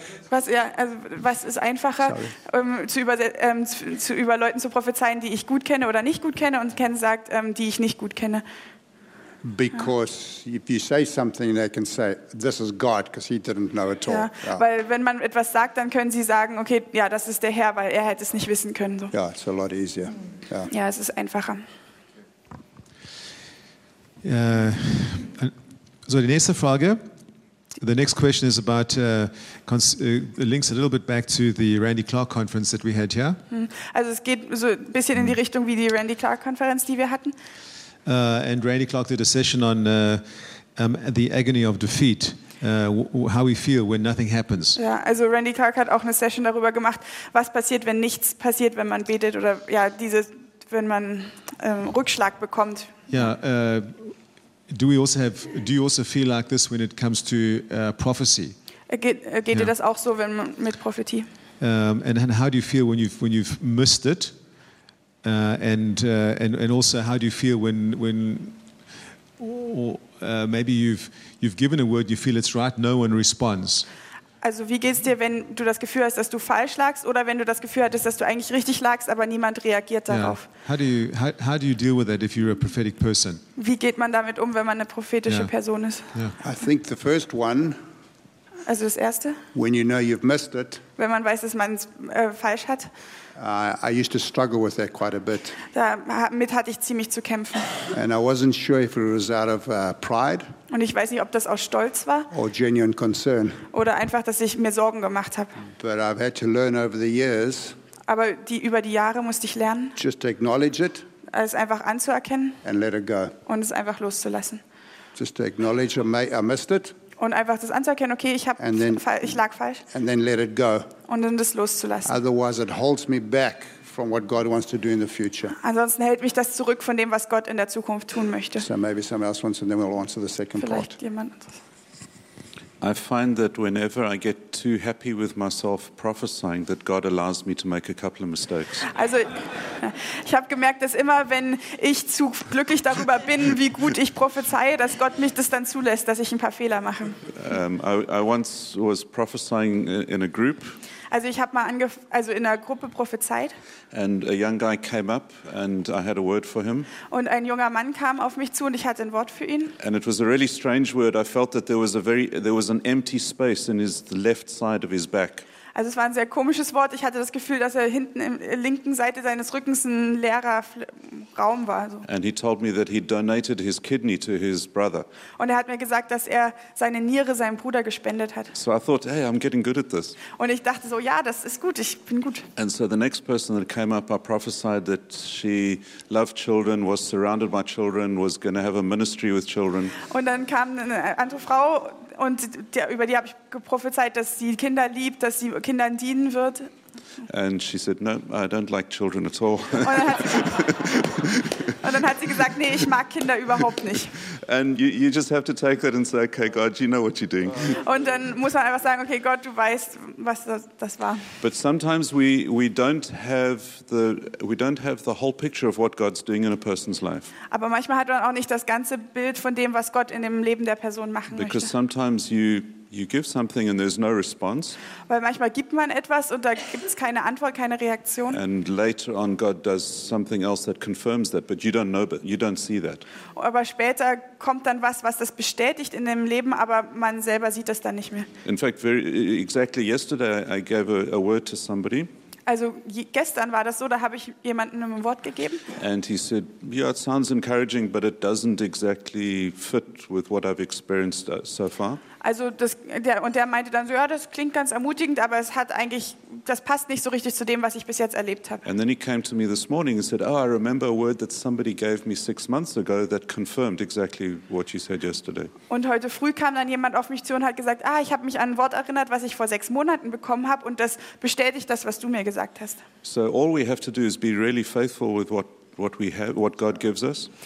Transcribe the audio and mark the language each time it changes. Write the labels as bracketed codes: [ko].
[de] was ist einfacher, über Leuten zu prophezeien, die ich gut kenne oder nicht gut kenne, und Ken sagt, die ich nicht gut kenne. [en] Because if you say something, they can say, this is God, because he didn't know at all. [de] Ja, weil wenn man etwas sagt, dann können sie sagen, okay, ja, das ist der Herr, weil er hätte es nicht wissen können. [en] So. Yeah, it's a lot easier. [de] Ja, es ist einfacher. So die nächste Frage. [en] The next question is about links a little bit back to the Randy Clark conference that we had here. [de] Also es geht so ein bisschen in die Richtung wie die Randy Clark Konferenz, die wir hatten. [en] And Randy Clark did a session on the agony of defeat. How we feel when nothing happens. [de] Ja, also Randy Clark hat auch eine Session darüber gemacht, was passiert, wenn nichts passiert, wenn man betet oder ja, dieses, wenn man Rückschlag bekommt. [en] Ja, Do you also feel like this when it comes to prophecy? [de] Geht dir das auch so, wenn man mit Prophetie? [en] And how do you feel when you've missed it? And also how do you feel when maybe you've given a word, you feel it's right, no one responds? [de] Also wie geht's dir, wenn du das Gefühl hast, dass du falsch lagst, oder wenn du das Gefühl hattest, dass du eigentlich richtig lagst, aber niemand reagiert darauf? [en] Yeah. How do you deal with that if you're a prophetic person? [de] Wie geht man damit um, wenn man eine prophetische Person ist? [en] Yeah. I think the first one. [de] Also das erste. [en] When you know you've missed it. [de] Wenn man weiß, dass man es falsch hat. [en] I used to struggle with that quite a bit. [de] Damit hatte ich ziemlich zu kämpfen. [en] And I wasn't sure if it was out of pride. [de] Und ich weiß nicht, ob das aus Stolz war. [en] Or genuine concern. [de] Oder einfach, dass ich mir Sorgen gemacht habe. [en] But I've had to learn over the years. [de] Aber über die Jahre musste ich lernen. [en] Just to acknowledge it. [de] Es einfach anzuerkennen. [en] And let it go. [de] Und es einfach loszulassen. [en] Just to acknowledge I missed it. [de] Und einfach das anzuerkennen, okay, ich lag falsch. [en] And then let it go. [de] Und dann das loszulassen. [en] Otherwise it holds me back from what God wants to do in the future. [de] Ansonsten hält mich das zurück von dem, was Gott in der Zukunft tun möchte. [en] So maybe someone else wants, and then we'll answer the second [de] Vielleicht [en] part. [de] Jemand. [en] I find that whenever I get too happy with myself prophesying, that God allows me to make a couple of mistakes. [de] Also, ich habe gemerkt, dass immer, wenn ich zu glücklich darüber bin, wie gut ich prophezeie, dass Gott mich das dann zulässt, dass ich ein paar Fehler mache. [en] I once was prophesying in a group. [de] Also ich habe mal in einer Gruppe prophezeit. [en] And a young guy came up and I had a word for him. [de] Und ein junger Mann kam auf mich zu und ich hatte ein Wort für ihn. [en] And it was a really strange word. I felt that there was an empty space in the left side of his back. [de] Also es war ein sehr komisches Wort. Ich hatte das Gefühl, dass er hinten in der linken Seite seines Rückens ein leerer Raum war. [en] So. And he told me that he donated his kidney to his brother. [de] Und er hat mir gesagt, dass er seine Niere seinem Bruder gespendet hat. [en] So I thought, hey, I'm getting good at this. [de] Und ich dachte so, ja, das ist gut, ich bin gut. [en] And so the next person that came up, I prophesied that she loved children, was surrounded by children, was going to have a ministry with children. [de] Und dann kam eine andere Frau. Und über die habe ich geprophezeit, dass sie Kinder liebt, dass sie Kindern dienen wird. [en] And she said, no, I don't like children at all. [de] Und dann hat sie gesagt, nee, ich mag Kinder überhaupt nicht. [en] And you just have to take that and say, okay, God, you know what you're doing. [de] Und dann muss man einfach sagen, okay, Gott, du weißt, was das war. [en] But sometimes we don't have the whole picture of what God's doing in a person's life. [de] Aber manchmal hat man auch nicht das ganze Bild von dem, was Gott in dem Leben der Person machen möchte. [en] Because sometimes you give something and there's no response. [de] Weil manchmal gibt man etwas und da gibt es keine Antwort, keine Reaktion. [en] And later on God does something else that confirms that, but you don't know, but you don't see that. [de] Aber später kommt dann was das bestätigt in dem Leben, aber man selber sieht das dann nicht mehr. [en] In fact, exactly yesterday I gave a word to somebody. [de] Also gestern war das so, da habe ich jemandem ein Wort gegeben. [en] And he said, yeah, it sounds encouraging, but it doesn't exactly fit with what I've experienced so far. [de] Also der meinte dann so, ja, das klingt ganz ermutigend, aber es hat eigentlich, das passt nicht so richtig zu dem, was ich bis jetzt erlebt habe. [en] And then he came to me this morning and said, oh, I remember a word that somebody gave me 6 months ago that confirmed exactly what you said yesterday. [de] Und heute früh kam dann jemand auf mich zu und hat gesagt, ich habe mich an ein Wort erinnert, was ich vor 6 Monaten bekommen habe, und das bestätigt das, was du mir gesagt hast. [en] So all we have to do is be really faithful with what we have, what God gives us.